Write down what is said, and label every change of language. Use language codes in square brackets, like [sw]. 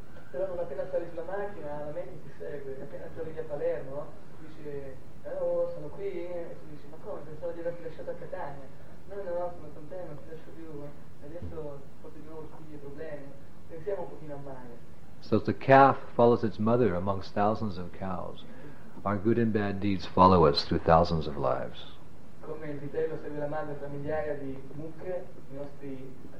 [it] Però non appena sali sulla macchina la mente ti segue, appena tu arrivi a Palermo dici, oh sono qui, e tu dici, ma come, pensavo di averti lasciato a Catania. No, no, sono con te, non ti lascio più, adesso porti di nuovo tutti i problemi, pensiamo un pochino a Maya. [en] So the calf follows its mother amongst thousands of cows, our good and bad deeds follow us through thousands of lives. [it] Come il vitello segue la madre tra migliaia di mucche, i nostri,